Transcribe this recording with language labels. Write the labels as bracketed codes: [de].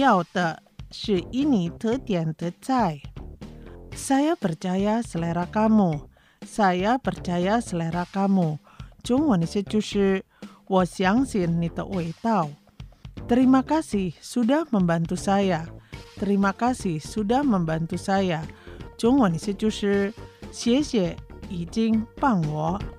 [zh] 中文意思就是重要的是以你特点的菜. [id] Saya percaya selera kamu. Saya percaya selera kamu. [zh] 中文意思就是我相信你的味道. [id] Terima kasih sudah membantu saya. Terima kasih sudah membantu saya. [zh] 中文意思就是谢谢已经帮我.